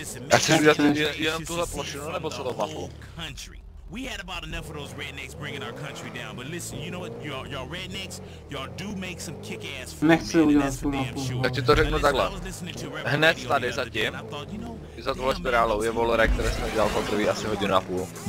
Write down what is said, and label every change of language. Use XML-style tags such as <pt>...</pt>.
<cs>Já chci udělat jenom tuhle plošinu nebo celou mapu.</cs> <en>We had about enough of those rednecks bringing our country down, but listen, you know what, y'all rednecks, y'all do make some kick-ass food, man, that's for damn sure.</en> <cs>Tak ti to řeknu takhle, hned tady zatím, i za tohle spirálou, je Volorek, který jsem dělal poprvé asi hodinu a půl.</cs>